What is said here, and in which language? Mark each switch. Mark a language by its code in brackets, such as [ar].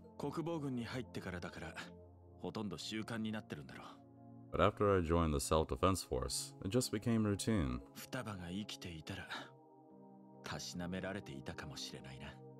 [ja] 国防軍に入ってからだから、ほとんど習慣になってるんだろう。 [en] But after I joined the self-defense force, it just became routine. [ja] 双葉が生きていたら、たしなめられていたかもしれないな。